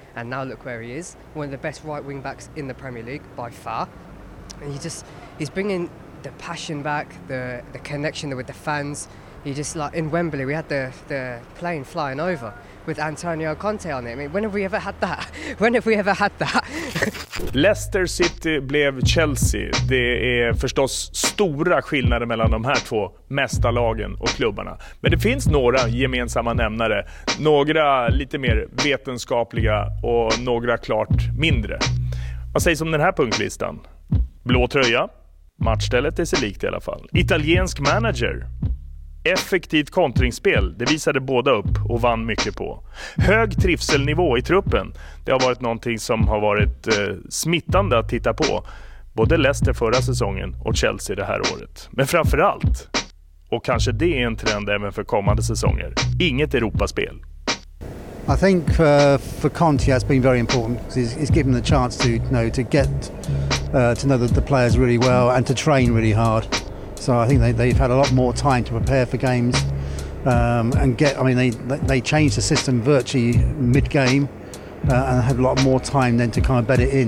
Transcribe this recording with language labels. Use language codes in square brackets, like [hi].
[en] And now look where he is. One of the best right wing backs in the Premier League by far. And he's bringing the passion back, the connection with the fans. You just, like, in Wembley, we had the plane flying over with Antonio Conte on it. I mean, when have we ever had that? When have we ever had that? [sv] Leicester City blev Chelsea. Det är förstås stora skillnader mellan de här två mästarlagen och klubbarna. Men det finns några gemensamma nämnare. Några lite mer vetenskapliga och några klart mindre. Vad sägs om den här punktlistan? Blå tröja. Matchstället är sig likt i alla fall. Italiensk manager. Effektivt kontringsspel, det visade båda upp och vann mycket på. Hög trivselnivå i truppen, det har varit någonting som har varit smittande att titta på. Både Leicester förra säsongen och Chelsea det här året. Men framförallt, och kanske det är en trend även för kommande säsonger, inget Europaspel. [en] I think for Conte has been very important because he's given the chance to, you know, to get to know the players really well and to train really hard. So I think they've had a lot more time to prepare for games and get. I mean, they changed the system virtually mid-game and had a lot more time then to kind of bed it in.